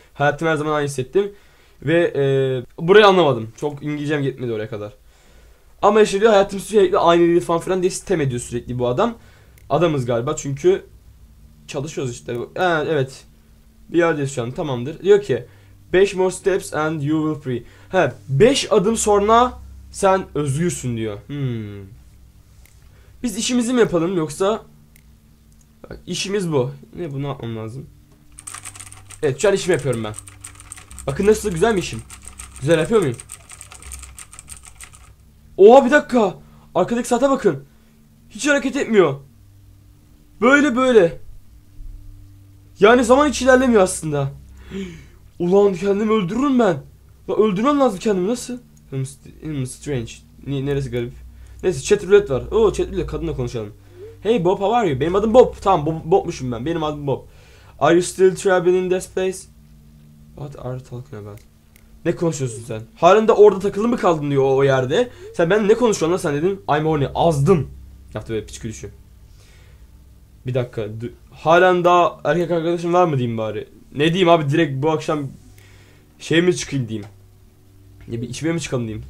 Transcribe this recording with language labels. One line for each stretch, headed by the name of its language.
Turkish: Hayatımı her zaman aynı hissettim. Ve burayı anlamadım. Çok İngilizcem gitmedi oraya kadar. Ama işte diyor hayatım sürekli aynı değil falan filan diye sitem ediyor sürekli bu adam. Adamız galiba çünkü... Çalışıyoruz işte. Evet. Bir yerdeyiz şu an, tamamdır. Diyor ki...
English: 5 more steps and you will free.
Turkish: He, 5 adım sonra... Sen özgürsün diyor. Biz işimizi mi yapalım yoksa... Bak, işimiz bu. Ne, bunu atmam lazım. Evet, şu an işimi yapıyorum ben. Bakın nasıl güzel mi işim? Güzel yapıyor muyum? Oha, bir dakika. Arkadaki saate bakın. Hiç hareket etmiyor. Böyle böyle. Yani zaman hiç ilerlemiyor aslında. Ulan kendimi öldürürüm ben. Ulan öldürmem lazım kendimi, nasıl? Hmm, strange. Neresi garip? Neyse, chat roulette var. Oo, chat roulette, kadınla konuşalım.
English: Hey Bob, how are you?
Turkish: Benim adım Bob. Tamam, Bob'muşum ben. Benim adım Bob.
English: Are you still traveling in this place? What are you talking about?
Turkish: Ne konuşuyorsun sen? Halen de orada takılı mı kaldın diyor o yerde. Sen benimle ne konuşuyorsun lan sen dedin.
English: I'm horny.
Turkish: Azdım. Yaptı böyle piç gülüşü. Bir dakika. Halen daha erkek arkadaşın var mı diyeyim bari? Ne diyeyim abi, direkt bu akşam şey mi çıkayım diyeyim. Ya bir içmeye mi çıkalım diyeyim?